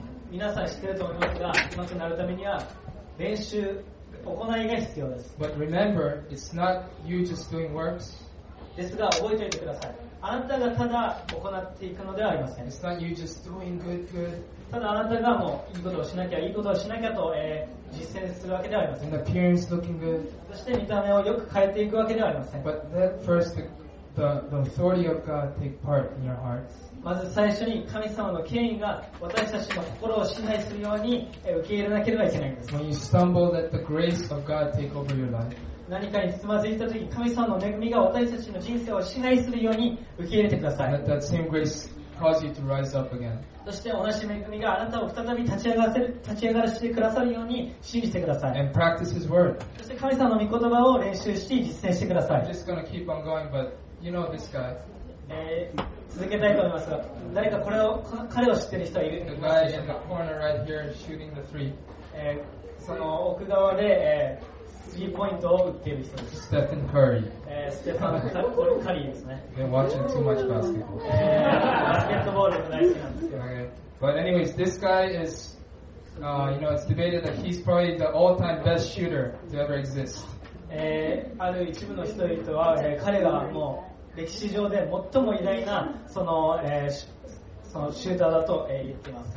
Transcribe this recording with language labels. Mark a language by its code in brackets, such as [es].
[ja] 皆さん知ってると思いますが、上手くなるためには練習、行いが必要です。 [en] But remember, it's not you just doing works. [ja] ですが、覚えておいてください。あなたがただ行っていくのではありません。 [en] It's not you just doing good, good. [ja] ただあなたがもういいことをしなきゃいいことをしなきゃと、実践するわけではありません。 [en] And appearance looking good. [ja] そして見た目をよく変えていくわけではありません。 [en] But let first the authority of God take part in your hearts. [ja] まず最初に神様の権威が私たちの心を支配するように、受け入れなければいけないんです。 [en] When you stumble, let the grace of God take over your life. [ja] 何かにつまずいたとき、神様の恵みが私たちの人生を支配するように受け入れてください。 [en] Let that same grace cause you to rise up again. [ja] そして同じ恵みがあなたを再び立ち上がらせてくださるように信じてください。 [en] And practice His word. [ja] そして神様の御言葉を練習して実践してください。 [en] I'm just gonna keep on going, but you know this guy. [ja] 続けたいと思いますが、誰かこれを彼を知っている人はいるんですか。 [en] The guy in the corner right here shooting the three. [ja] その奥側で、スリーポイントを打っている人です。 [en] Stephen Curry. [ja] ステファン・カリーですね。 [en] Been watching too much basketball. [ja] バスケットボールも大好きなんですよ。 [en] But anyways, this guy is, you know, it's debated that he's probably the all-time best shooter to ever exist. [ja] ある一部の人々は、彼がもう歴史上で最も偉大なその、そのシューターだと、言っています。